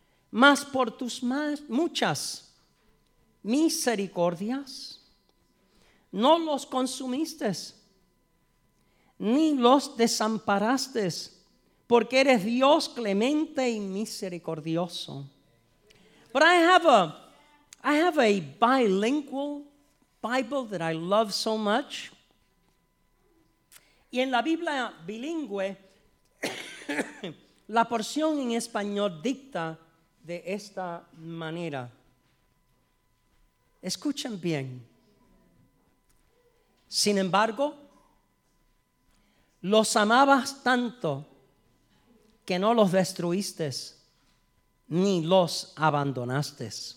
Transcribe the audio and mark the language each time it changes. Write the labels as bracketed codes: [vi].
[es] Más por tus muchas misericordias, no los consumiste, ni los desamparaste, porque eres Dios clemente y misericordioso. [en] But I have a bilingual Bible that I love so much. [es] Y en la Biblia bilingüe, la porción en español dicta de esta manera. Escuchen bien. Sin embargo, los amabas tanto que no los destruiste ni los abandonaste.